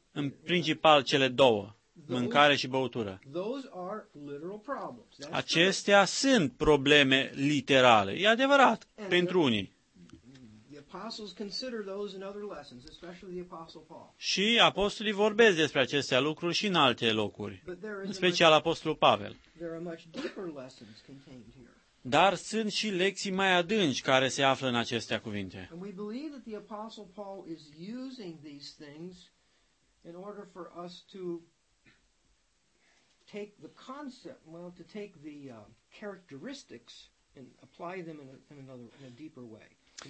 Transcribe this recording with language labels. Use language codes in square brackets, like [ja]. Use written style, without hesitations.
[ro] În principal cele două, mâncare și băutură. [en] Those are literal problems. [ro] Acestea sunt probleme literale, e adevărat, [en] and [ro] pentru unii. [en] Apostles consider those in other lessons, especially the apostle Paul. [ro] Și apostolii vorbesc despre aceste lucruri și în alte locuri, în special apostolul Pavel. [en] There are much deeper lessons contained here. [ro] Dar sunt și lecții mai adânci care se află în aceste cuvinte. [en] And we believe that the apostle Paul is using these things in order for us to take the concept, well, to take the characteristics and apply them in another, in a deeper way.